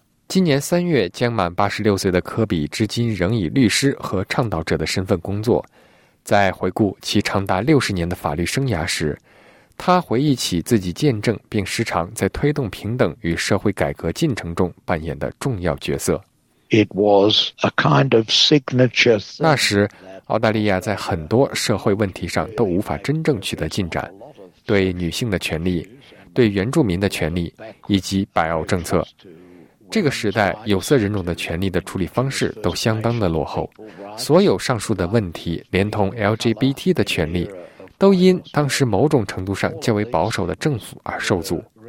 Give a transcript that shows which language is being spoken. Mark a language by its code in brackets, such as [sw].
[zh] 今年三月将满86岁的科比，至今仍以律师和倡导者的身份工作。在回顾其长达60年的法律生涯时，他回忆起自己见证并时常在推动平等与社会改革进程中扮演的重要角色。 [en] It was a kind of signature. [zh] 那时澳大利亚在很多社会问题上都无法真正取得进展，对女性的权利、对原住民的权利以及白澳政策。这个时代有色人种的权利的处理方式都相当的落后，所有上述的问题连同 LGBT 的权利都因当时某种程度上较为保守的政府而受阻。